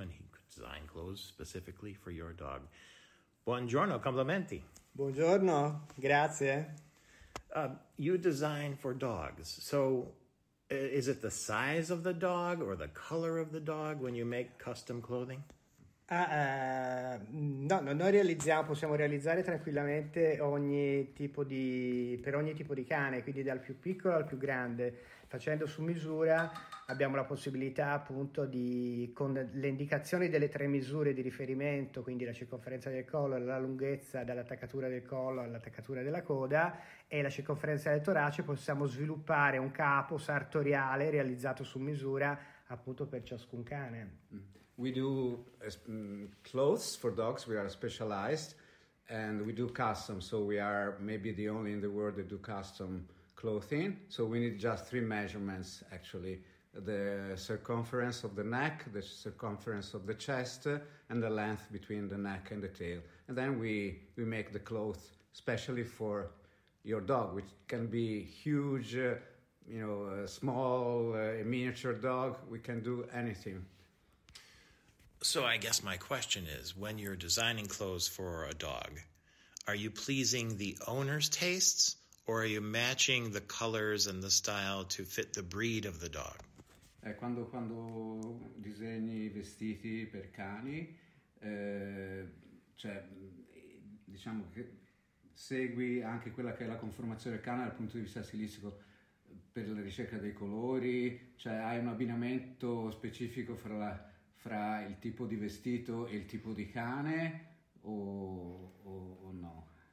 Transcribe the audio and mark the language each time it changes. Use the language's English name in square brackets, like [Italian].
[English] And he could design clothes specifically for your dog. [Italian] Buongiorno, complimenti. Buongiorno, grazie. [English] You design for dogs. So is it the size of the dog or the color of the dog when you make custom clothing? [Italian] No, noi realizziamo, possiamo realizzare tranquillamente ogni tipo di, per ogni tipo di cane, quindi dal più piccolo al più grande. Facendo su misura abbiamo la possibilità appunto di, con le indicazioni delle tre misure di riferimento, quindi la circonferenza del collo, la lunghezza dall'attaccatura del collo all'attaccatura della coda e la circonferenza del torace, possiamo sviluppare un capo sartoriale realizzato su misura appunto per ciascun cane. [English] We do clothes for dogs, we are specialized, and we do custom, so we are maybe the only in the world that do custom clothing. So we need just three measurements, actually: the circumference of the neck, the circumference of the chest, and the length between the neck and the tail. And then we make the clothes specially for your dog, which can be huge, a small, miniature dog. We can do anything. So I guess my question is, when you're designing clothes for a dog, are you pleasing the owner's tastes, or are you matching the colors and the style to fit the breed of the dog? [Italian] Quando disegni vestiti per cani, cioè, diciamo che segui anche quella che è la conformazione del cane dal punto di vista stilistico per la ricerca dei colori, cioè hai un abbinamento specifico fra, la, fra il tipo di vestito e il tipo di cane o no?